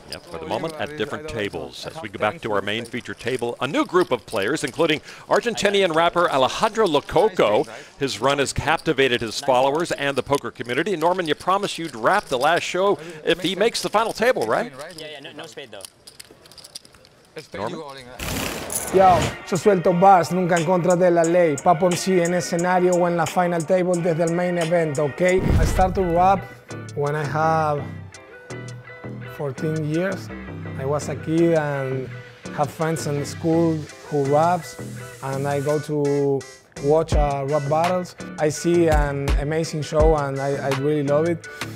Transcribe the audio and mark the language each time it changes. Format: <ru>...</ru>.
<en>Yep, for the moment, at different tables. As we go back to our main feature table, a new group of players, including Argentinian rapper Alejandro Lococo. His run has captivated his followers and the poker community. Norman, you promised you'd wrap the last show if he makes the final table, right? Yeah, no spade, though.</en> <es>Yo, yo suelto bars nunca en contra de la ley. Papo MC en escenario o en la</es> <en>final table</en> <es>desde el</es> <en>main event,</en> <es>ok?</es> <en>I start to rap when I have 14 years. I was a kid and have friends in school who raps, and I go to watch rap battles. I see an amazing show and I really love it.</en>